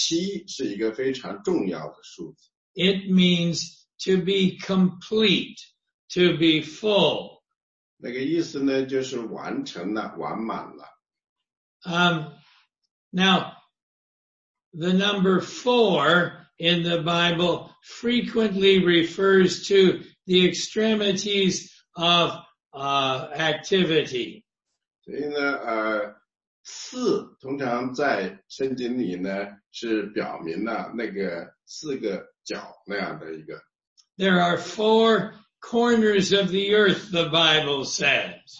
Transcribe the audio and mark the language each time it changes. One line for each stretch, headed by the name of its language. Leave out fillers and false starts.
Chinese: 所以如果你们大家注意到，在圣经里呢，7是一个非常重要的数字。
English: It means to be complete, to be full.
Chinese: 那个意思呢，就是完成了，完满了。
English: Now, the number 4 in the Bible frequently refers to the extremities of activity.
Chinese: 所以呢，4通常在圣经里呢，是表明了那个4个角那样的一个。
English: There are 4 corners of the earth, the Bible says.